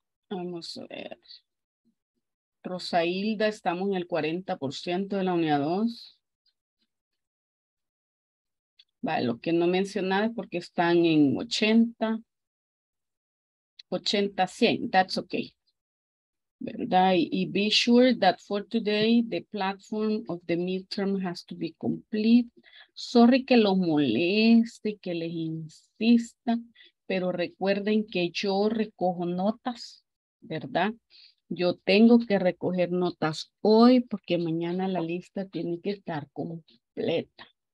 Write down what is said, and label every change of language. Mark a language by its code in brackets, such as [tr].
[es] Vamos a ver. Rosa Hilda, estamos en el 40% de la unidad 2. Vale, lo que no mencionaba es porque están en 80. [en] 80, 100, that's okay. ¿Verdad? Y be sure that for today, the platform of the midterm has to be complete. [es] Sorry que lo moleste, que les insista, pero recuerden que yo recojo notas, ¿verdad? Yo tengo que recoger notas hoy porque mañana la lista tiene que estar completa.